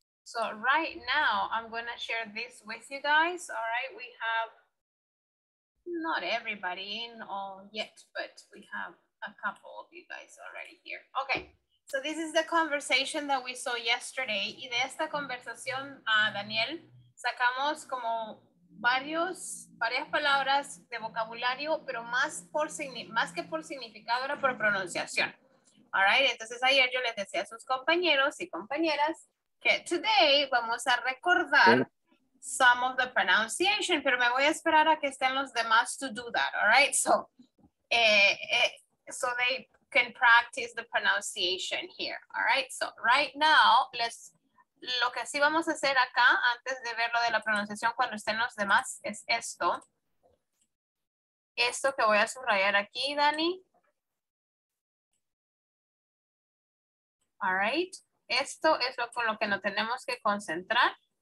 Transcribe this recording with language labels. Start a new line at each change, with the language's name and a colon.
English: So right now I'm gonna share this with you guys, all right? We have not everybody in all yet, but we have a couple of you guys already here, okay. So this is the conversation that we saw yesterday.
Spanish: Y de esta conversación, Daniel, sacamos como varias palabras de vocabulario, pero más que por significado, era por pronunciación. All right, entonces ayer yo les decía a sus compañeros y compañeras que
English: today
Spanish: vamos a recordar
English: some of the pronunciation,
Spanish: pero me voy a esperar a que estén los demás
English: to do that, all right? So, so they can practice the pronunciation here, all right? So right now,
Spanish: lo que sí vamos a hacer acá, antes de ver lo de la pronunciación cuando estén los demás, es esto. Esto que voy a subrayar aquí, Dani. All right? Esto es lo con lo que nos tenemos que concentrar.